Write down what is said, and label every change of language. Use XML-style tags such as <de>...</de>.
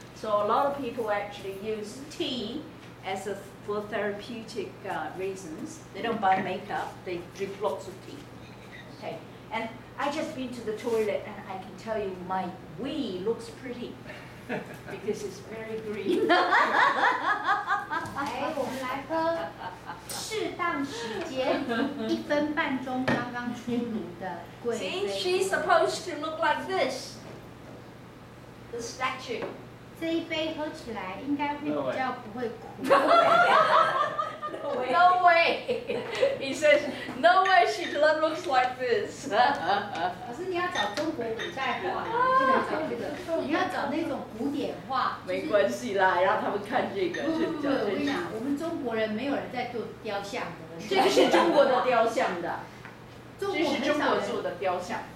<en>So, a lot of people actually use tea as a for therapeutic reasons. They don't buy makeup, they drink lots of tea. Okay, and I just been to the toilet and I can tell you my wee looks pretty because it's very green.</en> <zh>来，我们来喝适当时间一分半钟刚刚出炉的贵妃。</zh> <en>See, she's supposed to look like this. The statue.</en> <zh>这一杯喝起来应该会比较不会苦。</zh> <en>No way! He says, no way she looks like this.</en> <zh>可是你要找中国古代话，不能找这个。你要找那种古典话。没关系啦，让他们看这个。不，我跟你讲，我们中国人没有人在做雕像的。这个是中国的雕像的。这是中国做的雕像。</zh>